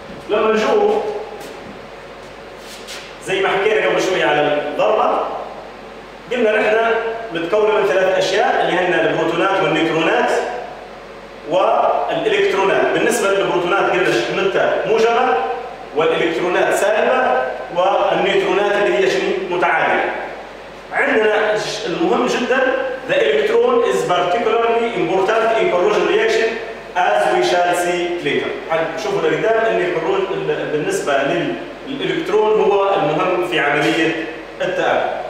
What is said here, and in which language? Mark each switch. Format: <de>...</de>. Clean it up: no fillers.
<ar>لما نشوف زي ما حكينا قبل شوي على الذرة قلنا نحن متكونة من ثلاث أشياء اللي هن البروتونات والنيوترونات والإلكترونات. بالنسبة للبروتونات قلنا شحنتها موجبة والإلكترونات سالبة والنيوترونات اللي هي شنو متعادلة. عندنا المهم جدا</ar> <en>the electron is particularly important in corrosion reaction as we shall see later.</en> <ar>شوفوا لقدام ان بالنسبة للإلكترون هو المهم في عملية التآكل.</ar>